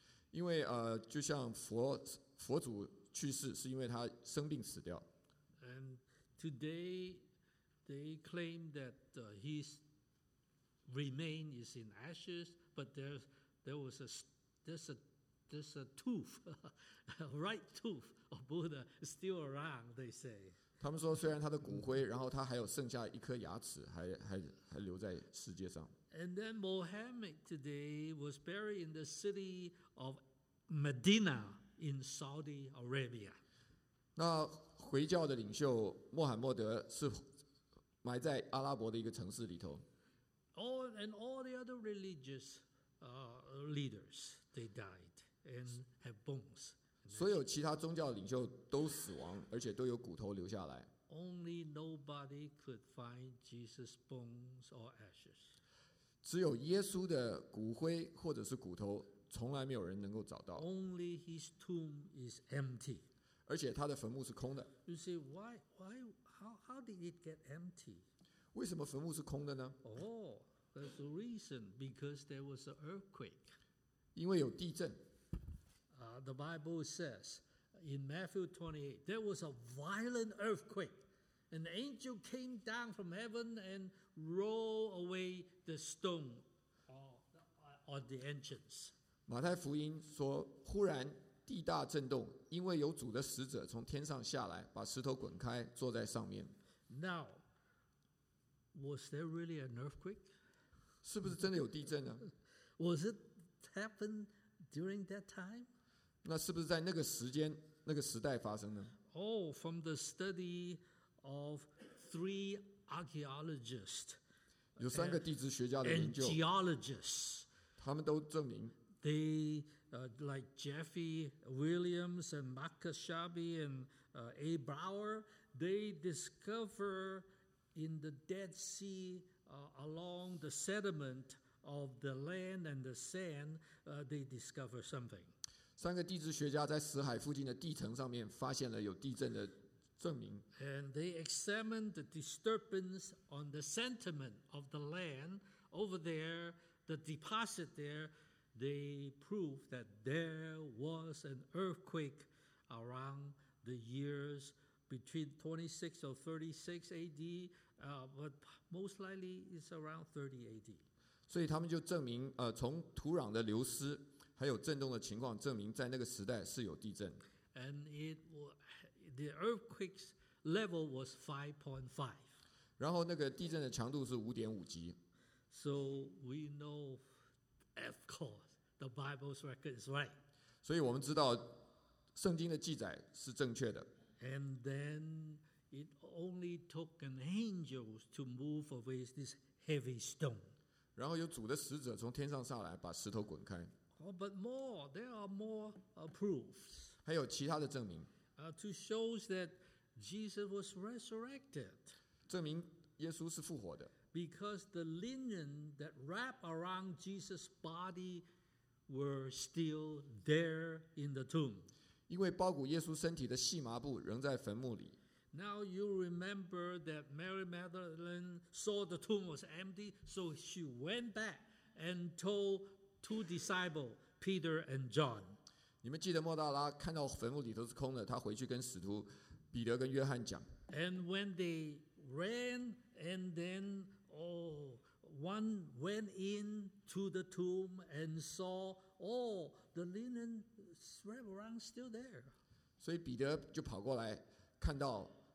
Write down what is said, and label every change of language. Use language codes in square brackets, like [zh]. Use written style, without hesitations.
[zh] 因为就像佛祖去世，是因为他生病死掉。 [en] And today they claim that his remain is in ashes. But there's a tooth, a right tooth of Buddha still around, they say. [zh] 他们说虽然他的骨灰，然后他还有剩下一颗牙齿，还留在世界上。 [en] And then Mohammed today was buried in the city of Medina in Saudi Arabia. [zh] 那回教的领袖穆罕默德是埋在阿拉伯的一个城市里头。 [en] All the other religious leaders, they died and have bones. [zh] 所有其他宗教领袖都死亡，而且都有骨头留下来。 [en] Only nobody could find Jesus' bones or ashes. [zh] 只有耶稣的骨灰或者是骨头，从来没有人能够找到。 [en] Only his tomb is empty. [zh] 而且他的坟墓是空的。 [en] You see, how did it get empty? [zh] 为什么坟墓是空的呢？ [en] Oh, that's the reason, because there was an earthquake. [zh] 因为有地震。 [en] The Bible says in Matthew 28, there was a violent earthquake. An angel came down from heaven and rolled away the stone on the entrance. [zh] 马太福音说，忽然地大震动，因为有主的使者从天上下来，把石头滚开，坐在上面。 [en] Now,Was there really an earthquake? [zh] 是不是真的有地震呢？ [en] Was it happened during that time? [zh] 那是不是在那个时间、那个时代发生呢？ [en] Oh, from the study of three archaeologists, [zh] 有三个地质学家的研究 [en] and geologists, [zh] 他们都证明 [en] they like Jeffy Williams and Marcus Shabby and A. Brower, they discover. In the Dead Sea, along the sediment of the land and the sand, they discover something. [zh] 三个地质学家在死海附近的地层上面发现了有地震的证明。 [en] And they examined the disturbance on the sediment of the land over there, the deposit there. They proved that there was an earthquake around the years between 26 or 36 A.D. But most likely it's around 30 AD. [zh] 所以他们就证明，从土壤的流失还有震动的情况，证明在那个时代是有地震。 [en] And the earthquake's level was 5.5. [zh] 然后那个地震的强度是 5.5 级。 [en] So we know, of course, the Bible's record is right. [zh] 所以我们知道圣经的记载是正确的。 [en] And then. It only took an angel to move away this heavy stone. [zh] 然后有主的使者从天上下来，把石头滚开。 [en] Oh, but more, there are more proofs. [zh] 还有其他的证明。 [en] To show that Jesus was resurrected. [zh] 证明耶稣是复活的。 [en] Because the linen that wrapped around Jesus' body were still there in the tomb. [zh] 因为包裹耶稣身体的细麻布仍在坟墓里。 [en] Now you remember that Mary Magdalene saw the tomb was empty, so she went back and told two disciples, Peter and John. [zh] 你们记得莫大拉看到坟墓里头是空的，他回去跟使徒彼得跟约翰讲。 [en] And when they ran, and then one went into the tomb and saw the linen wrapped around still there. [zh] 所以彼得就跑过来看到。